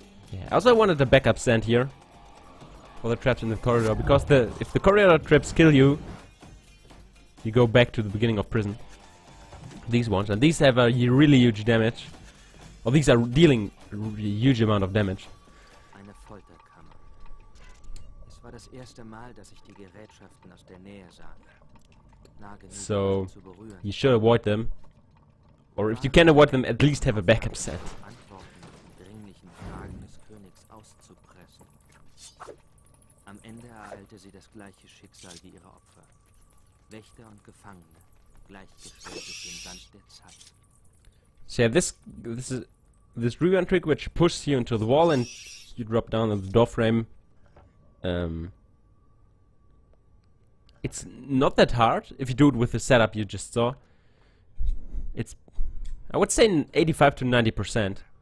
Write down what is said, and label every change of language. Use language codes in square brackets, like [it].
[en] Yeah. Also I wanted a backup stand here for the traps in the corridor, because if the corridor traps kill you, you go back to the beginning of prison. These ones, and these have a really huge damage. Well, these are dealing a huge amount of damage. [de] Eine Folterkammer. Es war das erste Mal, dass ich die Gerätschaften aus der Nähe sah. Nah genug, so zu berühren. [en] You should avoid them. Or if you can avoid them, at least have a backup set. [de] Antworten dringlichen Fragen des Königs auszupressen. Am Ende ereilte sie das gleiche Schicksal wie ihre Opfer. Wächter und Gefangene, gleichgestellt durch den Sand der Zeit. [en] So yeah, this rewind trick, which pushes you into the wall and you drop down on the doorframe. It's not that hard if you do it with the setup you just saw. It's, I would say, 85% to 90%.